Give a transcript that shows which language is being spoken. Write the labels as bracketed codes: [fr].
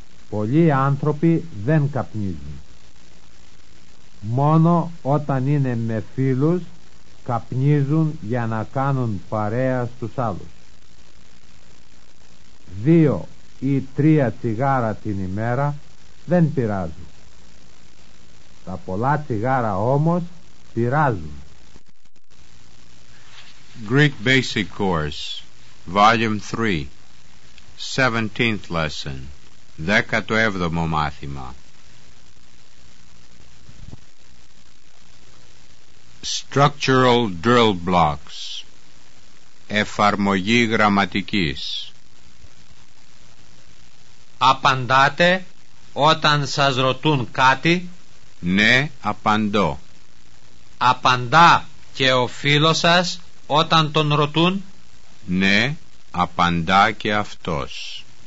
[el] Πολλοί άνθρωποι δεν καπνίζουν. Μόνο όταν είναι με φίλους καπνίζουν για να κάνουν παρέα στους άλλους. 2 ή 3 τσιγάρα την ημέρα δεν πειράζουν. Τα πολλά τσιγάρα όμως πειράζουν. [en] Greek Basic Course, Volume 3, 17th Lesson, 17th Μάθημα. Structural Drill Blocks, [el] Εφαρμογή Γραμματικής. Απαντάτε όταν σας ρωτούν κάτι? Ναι, απαντώ. Απαντά και ο φίλος σας όταν τον ρωτούν? Ναι, απαντά και αυτός.